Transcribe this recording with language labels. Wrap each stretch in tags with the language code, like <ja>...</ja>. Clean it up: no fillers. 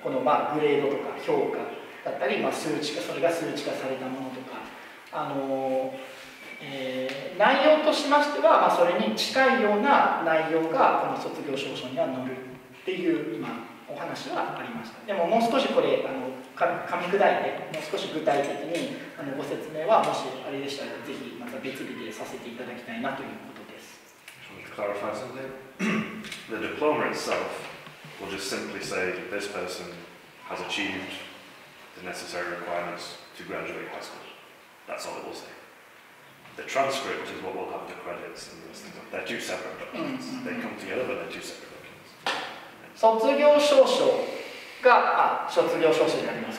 <ja>この、まあ、グレードとか評価だったり、まあ、それが数値化されたものとか、内容としましては、まあ、それに近いような内容がこの卒業証書には載るっていう今お話はありました。でももう少しこれ噛み砕いてもう少し具体的にご説明はもしあれでしたらぜひまた別日でさせていただきたいなということです。</ja> <en>Can you clarify something? The diploma itself will just simply say this person has achievedthe necessary requirements to graduate high school. That's all it will say. The transcript is what will have the credits and those things. They're two separate documents. They come together, but they're two separate documents.</en> <ja>卒業証書が、卒業証書になります。</ja>